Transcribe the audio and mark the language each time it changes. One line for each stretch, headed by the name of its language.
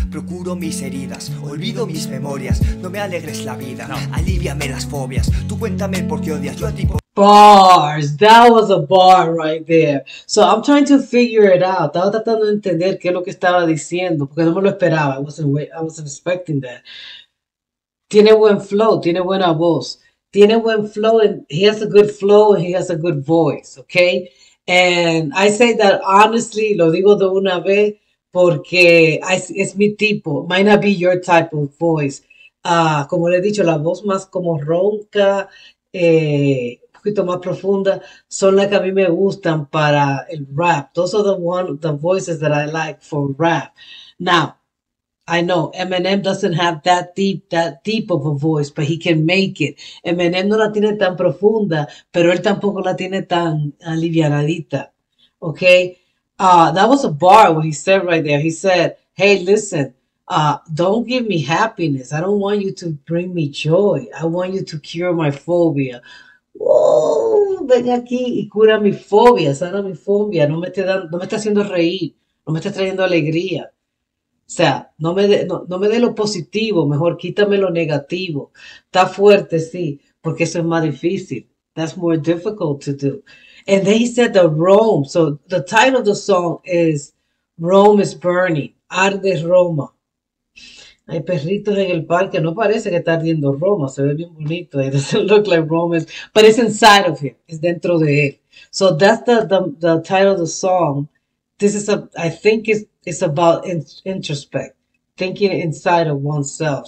Spanish: Procuro mis heridas, olvido mis memorias, no me alegres la vida, alíviame las fobias. Tú cuéntame por qué odias, yo a ti.
English: Bars, that was a bar right there. So I'm trying to figure it out.
Spanish: Estaba tratando de entender qué es lo que estaba diciendo, porque no me lo esperaba.
English: I wasn't expecting that.
Spanish: Tiene buen flow, tiene buena voz. Tiene buen flow,
English: and he has a good flow, and he has a good voice, okay? And I say that honestly,
Spanish: lo digo de una vez, porque es mi tipo.
English: Might not be your type of voice.
Spanish: Como le he dicho, la voz más como ronca, poquito más profunda, son las que a mí me gustan para el rap.
English: Those are the voices that I like for rap. Now, I know Eminem doesn't have that deep of a voice, but he can make it.
Spanish: Eminem no la tiene tan profunda, pero él tampoco la tiene tan alivianadita.
English: Okay, that was a bar what he said right there. He said, "Hey, listen, don't give me happiness. I don't want you to bring me joy. I want you to cure my phobia."
Spanish: Whoa, ven aquí y cura mi fobia, sana mi fobia, no me está haciendo reír, no me está trayendo alegría. O sea, no me dé lo positivo, mejor quítame lo negativo. Está fuerte, sí, porque eso es más difícil.
English: That's more difficult to do. And then he said the Rome, so the title of the song is Rome is Burning, Arde Roma.
Spanish: Hay perritos en el parque, no parece que está ardiendo Roma, se ve bien bonito.
English: It doesn't look like Rome is, but it's inside of him,
Spanish: es dentro de él.
English: So that's the title of the song. This is a, I think it's about introspect, thinking inside of oneself.